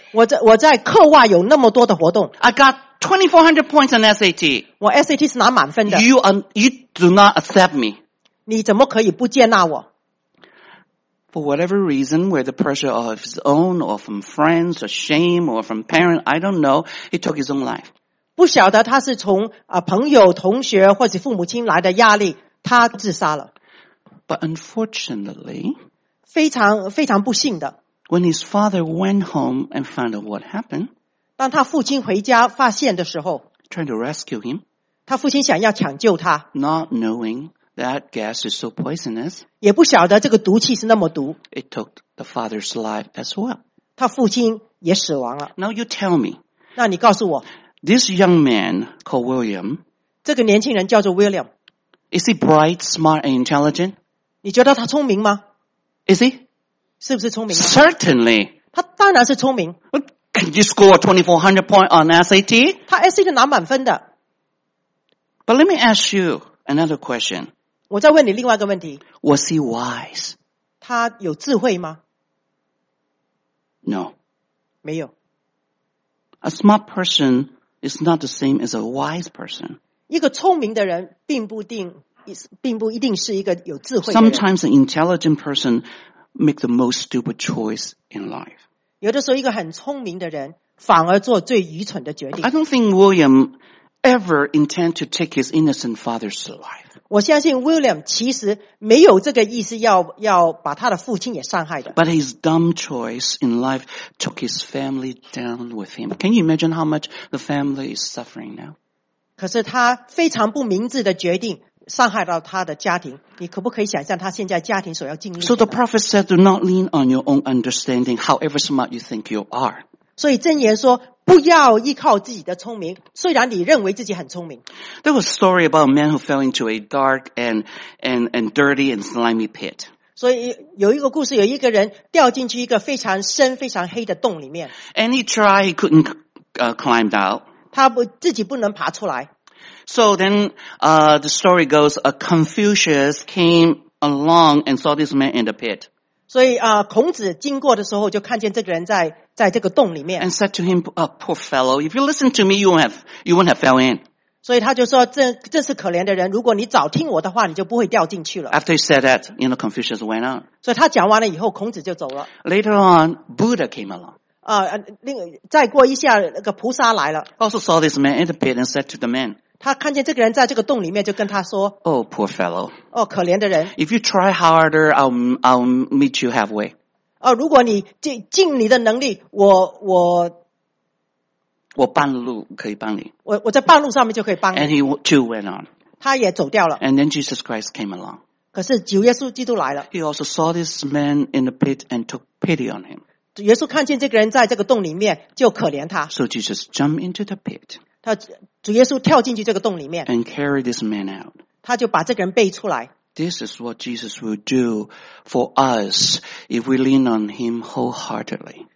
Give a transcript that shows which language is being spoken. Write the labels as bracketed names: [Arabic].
[Chinese] 我在课外有那么多的活动。 [English] I got 2400 points on SAT. [Chinese] 我 SAT 是拿满分的。 [English] You do not accept me. [Chinese] 你怎么可以不接纳我？ [English] For whatever reason, whether pressure of his own or from friends or shame or from parents, I don't know, he took his own life. [Chinese] 不晓得他是从朋友、同学或者父母亲来的压力，他自杀了。 [English] But unfortunately, [Chinese] 非常非常不幸的。 [English] When his father went home and found out what happened, [Chinese] 当他父亲回家发现的时候 [English] ，trying to rescue him, [Chinese] 他父亲想要抢救他 [English] ，not knowing. That gas is so poisonous. [Chinese] 也不晓得这个毒气是那么毒。 [English] It took the father's life as well. [Chinese] 他父亲也死亡了。 [English] Now you tell me. [Chinese] 那你告诉我。 [English] This young man called William. [Chinese] 这个年轻人叫做 William. [English] Is he bright, smart, and intelligent? [Chinese] 你觉得他聪明吗 [English] ？Is he? [Chinese] 是不是聪明 [English] ？Certainly. [Chinese] 他当然是聪明。 [English] Can you score 2400 points on SAT? [Chinese] 他 SAT 拿满分的。 [English] But let me ask you. Another question. [Chinese] 我再问你另外一个问题。 [English] Was he wise? [Chinese] 他有智慧吗 [English] ？No. [Chinese] 没有。 [English] A smart person is not the same as a wise person. [Chinese] 一个聪明的人并不一定是一个有智慧的人。 [English] Sometimes an intelligent person makes the most stupid choice in life. [Chinese] 有的时候，一个很聪明的人反而做最愚蠢的决定。 [English] I don't think William. Ever intend to take his innocent father's life? [Chinese] 我相信 William 其实没有这个意思要把他的父亲也伤害的。 [English] But his dumb choice in life took his family down with him. Can you imagine how much the family is suffering now? [Chinese] 可是他非常不明智的决定伤害到他的家庭。你可不可以想象他现在家庭所要经历的 [English] ？So the prophet said, "Do not lean on your own understanding, however smart you think you are." [Chinese] 所以箴言说。不要依靠自己的聪明，虽然你认为自己很聪明。 [English] There was a story about a man who fell into a dark and dirty and slimy pit. [Chinese] 所以有一个故事，有一个人掉进去一个非常深、非常黑的洞里面。 [English] And he tried, he couldn't climb out. [Chinese] 他不自己不能爬出来。 [English] So then, the story goes, a Confucius came along and saw this man in the pit. [Chinese] 所以啊，孔子经过的时候就看见这个人在这个洞里面。 [English] And said to him, "Oh, poor fellow, if you listen to me, you won't have fell in." [Chinese] 所以他就说，这是可怜的人，如果你早听我的话，你就不会掉进去了。 [English] After he said that, you know, Confucius went out. [Chinese] 所以他讲完了以后，孔子就走了。 [English] Later on, Buddha came along. [Chinese] 再过一下，那个菩萨来了。 [English] Also saw this man in the pit and said to the man. [Chinese] 他看见这个人在这个洞里面，就跟他说 [English] ：“Oh, poor fellow. [Chinese] 哦，可怜的人。 [English] If you try harder, I'll meet you halfway. [Chinese] 哦，如果你尽你的能力，我半路可以帮你。我在半路上面就可以帮你。 [English] And he too went on. [Chinese] 他也走掉了。 [English] And then Jesus Christ came along. [Chinese] 可是主耶稣基督来了。 [English] He also saw this man in the pit and took pity on him. [Chinese] 耶稣看见这个人在这个洞里面，就可怜他。 [English] So Jesus jumped into the pit. [Chinese] 他主耶稣跳进去这个洞里面 [English] ，and carry this man out. [Chinese] 他就把这个人背出来。 [English] This is what Jesus will do for us if we lean on Him wholeheartedly.